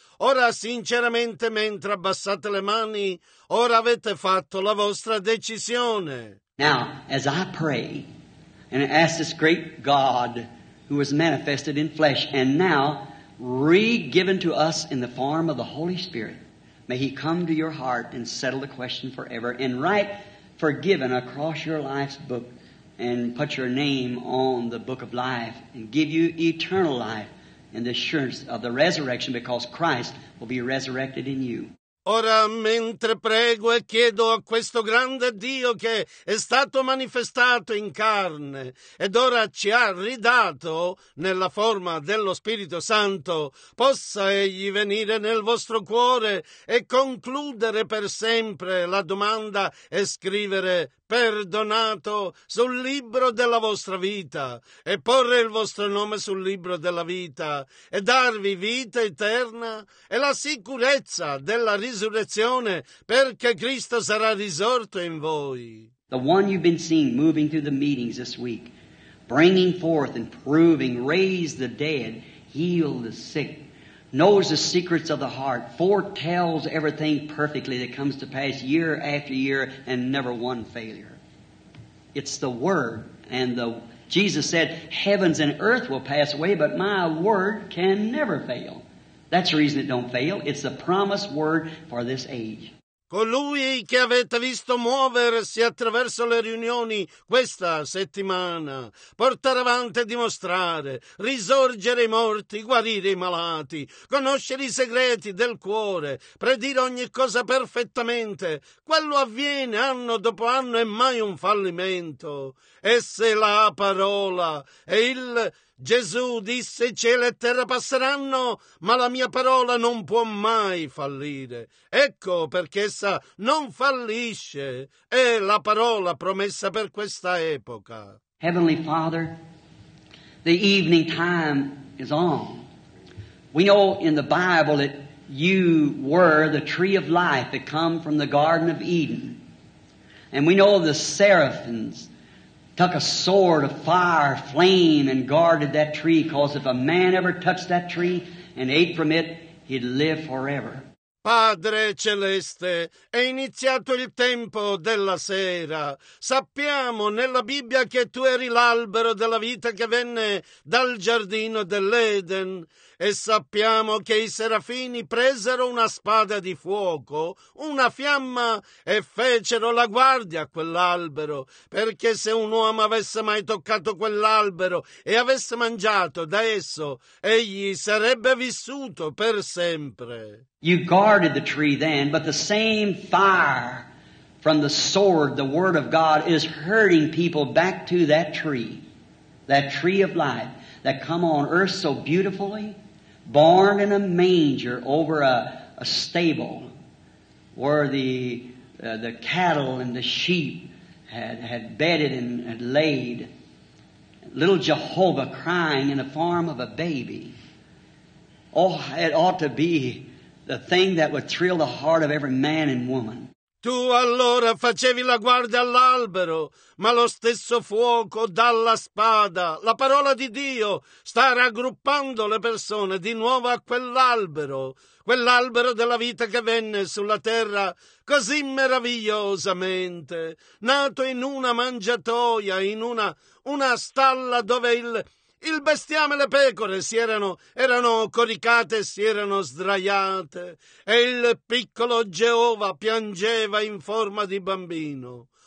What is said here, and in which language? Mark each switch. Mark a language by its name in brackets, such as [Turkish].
[Italian] Ora, sinceramente, mentre abbassate le mani, ora avete fatto la vostra decisione. [English] Now, as I pray and ask this great God who was manifested in flesh and now re-given to us in the form of the Holy Spirit, may he come to your heart and settle the question forever and write forgiven across your life's book and put your name on the book of life and give you eternal life in the assurance of the resurrection because Christ will be resurrected in you. [Italian] Ora, mentre prego e chiedo a questo grande Dio che è stato manifestato in carne ed ora ci ha ridato nella forma dello Spirito Santo, possa egli venire nel vostro cuore e concludere per sempre la domanda e scrivere perdonato sul libro della vostra vita e porre il vostro nome sul libro della vita e darvi vita eterna e la sicurezza della risurrezione perché Cristo sarà risorto in voi. [English] The one you've been seeing moving through the meetings this week, bringing forth and proving, raise the dead, heal the sick, knows the secrets of the heart, foretells everything perfectly that comes to pass year after year and never one failure. It's the Word. And the Jesus said, heavens and earth will pass away, but my Word can never fail. That's the reason it don't fail. It's the promised Word for this age. [Italian] Colui che avete visto muoversi attraverso le riunioni questa settimana, portare avanti e dimostrare, risorgere i morti, guarire i malati, conoscere i segreti del cuore, predire ogni cosa perfettamente, quello avviene anno dopo anno e mai un fallimento. E se la parola e il Gesù disse cielo e terra passeranno, ma la mia parola non può mai fallire. Ecco perché essa non fallisce, è la parola promessa per questa epoca. [English] Heavenly Father, the evening time is on. We know in the Bible that you were the tree of life that come from the Garden of Eden. And we know the seraphims took a sword of fire, flame, and guarded that tree, because if a man ever touched that tree and ate from it, he'd live forever. [Italian] Padre Celeste, è iniziato il tempo della sera. Sappiamo nella Bibbia che tu eri l'albero della vita che venne dal giardino dell'Eden. E sappiamo che i serafini presero una spada di fuoco, una fiamma, e fecero la guardia a quell'albero, perché se un uomo avesse mai toccato quell'albero e avesse mangiato da esso, egli sarebbe vissuto per sempre. [English] You guarded the tree then, but the same fire from the sword, the word of God, is hurting people back to that tree of life. That come on earth so beautifully, born in a manger over a stable, where the cattle and the sheep had bedded and had laid, little Jehovah crying in the form of a baby. Oh, it ought to be the thing that would thrill the heart of every man and woman. [Italian] Tu allora facevi la guardia all'albero, ma lo stesso fuoco dalla spada, la parola di Dio, sta raggruppando le persone di nuovo a quell'albero della vita che venne sulla terra così meravigliosamente, nato in una mangiatoia, in una stalla dove il bestiame e le pecore si erano coricate e si erano sdraiate, e il piccolo Geova piangeva in forma di bambino.